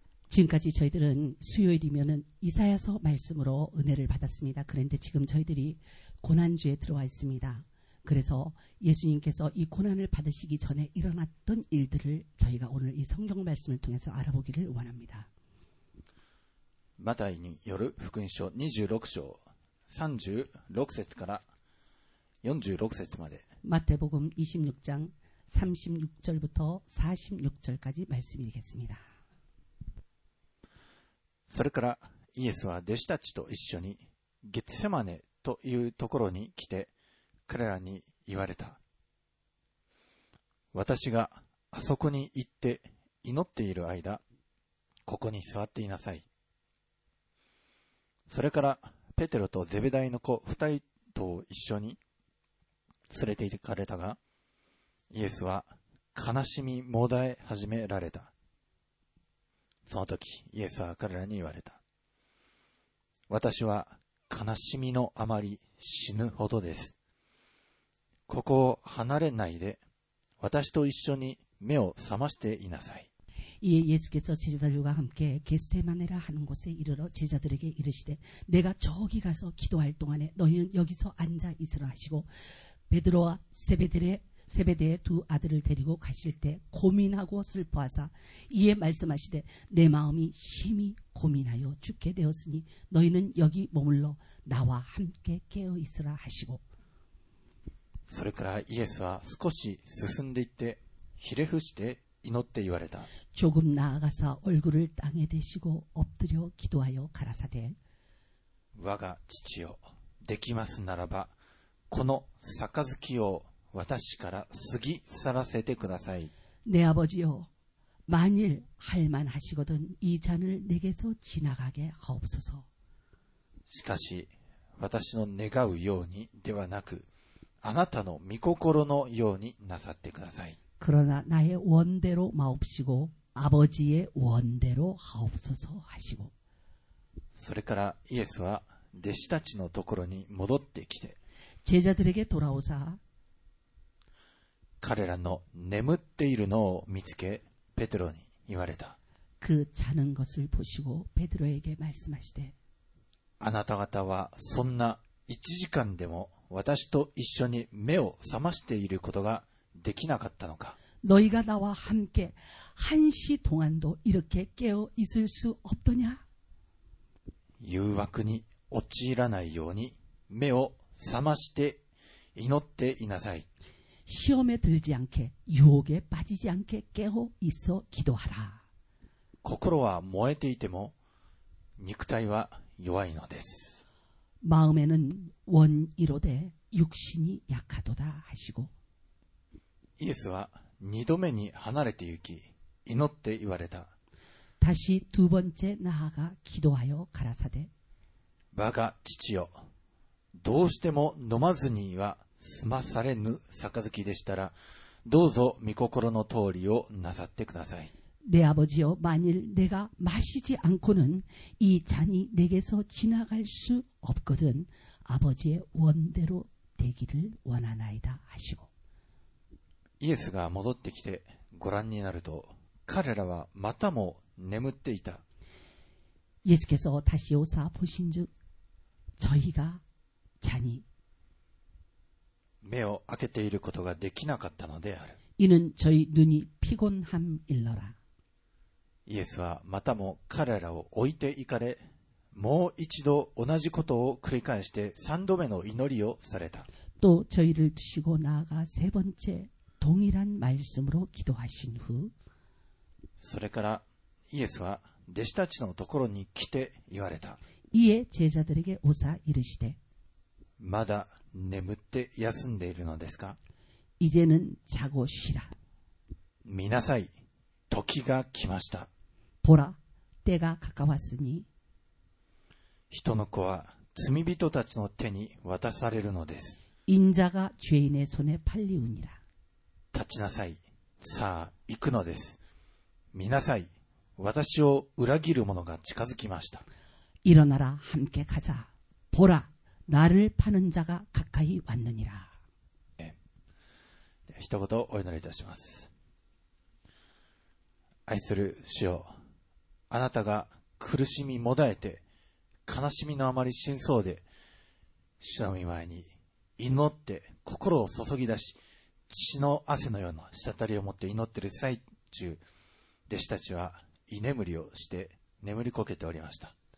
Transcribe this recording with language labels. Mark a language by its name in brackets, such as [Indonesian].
[Korean] 지금까지저희들은수요일이면은이사야서말씀으로은혜를받았습니다그런데지금저희들이고난주에들어와있습니다그래서예수님께서이고난을받으시기전에일어났던일들을저희가오늘이성경말씀을통해서알아보기를원합니다 [Japanese] 마태이によるふくんしょ26章36節から46節まで [Korean] 마태복음26장36절부터46절까지말씀이되겠습니다 [Japanese] それからイエスは弟子たちと一緒にゲツセマネというところに来て彼らに言われた。私があそこに行って祈っている間、ここに座っていなさい。それからペテロとゼベダイの子二人と一緒に連れて行かれたが、イエスは悲しみもだえ始められた。その時イエスは彼らに言われた。私は悲しみのあまり死ぬほどです。ここを離れないで私と一緒に目を覚ましていなさい。 [Korean] 이에 예수께서 제자들과 함께 겟세마네라 하는 곳에 이르러 제자들에게 이르시되 내가 저기 가서 기도할 동안에 너희는 여기서 앉아 있으라 하시고 베드로와 세베데의 두 아들을 데리고 가실 때 고민하고 슬퍼하사 이에 말씀하시되 내 마음이 심히 고민하여 죽게 되었으니 너희는 여기 머물러 나와 함께 깨어 있으라 하시고 [Japanese] それからイエスは少し進んでいってひれ伏して祈って言われた。 [Korean] 조금나아가서얼굴을땅에대시고엎드려기도하여가라사대 [Japanese] 我が父よ、できますならばこの杯を私から過ぎ去らせてください。 [Korean] 내아버지요만일할만하시거든이잔을내게서지나가게하옵소서 [Japanese] しかし私の願うようにではなくあなたの御心のようになさってください。 [Korean] 그러나나의원대로마옵시고아버지의원대로하옵소서하시고 [Japanese] それからイエスは弟子たちのところに戻ってきて [Korean] 제자들에게돌아오사 [Japanese] 彼らの眠っているのを見つけペテロに言われた。 [Korean] 그자는것을보시고ペテロ에게말씀하시되 [Japanese] あなた方はそんな1時間でも私と一緒に目を覚ましていることができなかったのか。 [Korean] 너희가나와함께한시동안도이렇게깨어있을수없더냐。 [Japanese] 誘惑に陥らないように目を覚まして祈っていなさい。 [Korean] 시험에들지않게유혹에빠지지않게깨어있어기도하라。 [Japanese] 心は燃えていても肉体は弱いのです。 [Korean] 마음에는원이로되육신이약하도다하시고 [Japanese] イエスは二度目に離れて行き祈って言われた。 [Korean] 다시두번째나아가기도하여가라사대 [Japanese] 我が父よどうしても飲まずには済まされぬ杯でしたらどうぞ御心の通りをなさってください。 [Korean] 내아버지요만일내가마시지않고는이잔이내게서지나갈수없거든아버지의원대로되기를원하나이다하시고 [Japanese] イエスが戻ってきてご覧になると彼らはまたも眠っていた。 [Korean] イエス께서다시오사보신즉저희가자니 [Japanese] 目を開けていることができなかったのである。 [Korean] 이는저희눈이피곤함일러라。 [Japanese] イエスはまたも彼らを置いていかれもう一度同じことを繰り返して三度目の祈りをされた。 [Korean] 또저희를두시고나아가세번째 동일한말씀으로기도하신후 그리고 [Japanese] イエスは弟子たちのところに来て言われた。 [Korean] いえ、제자들에게오사이르시되。 [Japanese] まだ眠って休んでいるのですか？ [Korean] 이제는자고쉬라。 [Japanese] 見なさい、時が来ました。 [Korean] 보라、때가가까웠으니。 [Japanese] 人の子は罪人たちの手に渡されるのです。 [Korean] 인자가죄인의손에팔리우니라。 [Japanese] 立ちなさい、さあ行くのです。見なさい、私を裏切る者が近づきました。 [Korean] 일어나라함께가자보라나를파는자가가까이왔느니라 [Japanese] 네一言お祈りいたします。愛する主よ、あなたが苦しみもだえて悲しみのあまり死んそうで、主の御前に祈って心を注ぎ出し、血の汗のような滴りを持って祈っている最中、弟子たちは居眠りをして眠りこけておりました。